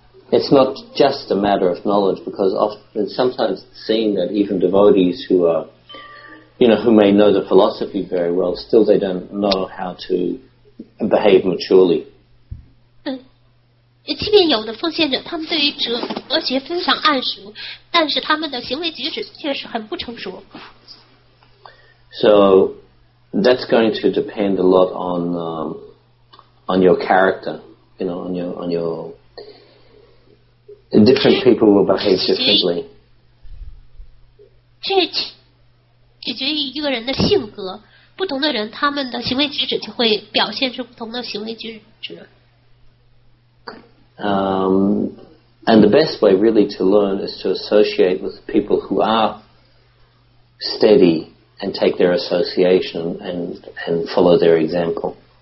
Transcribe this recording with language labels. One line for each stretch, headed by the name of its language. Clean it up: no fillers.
English: It's not just a matter of knowledge, because often, sometimes seeing that even devotees who are, you know, who may know the philosophy very well, still they don't know how to behave maturely.
Chinese: 即便有的奉献者，他们对于哲学非常谙熟，但是他们的行为举止却是很不成熟。
English: So that's going to depend a lot on your character, you know, on your different people will behave differently.
Chinese: 这取决于一个人的性格，不同的人他们的行为举止就会表现出不同的行为举止。
English: And the best way really to learn is to associate with people who are steady and take their association and follow their example.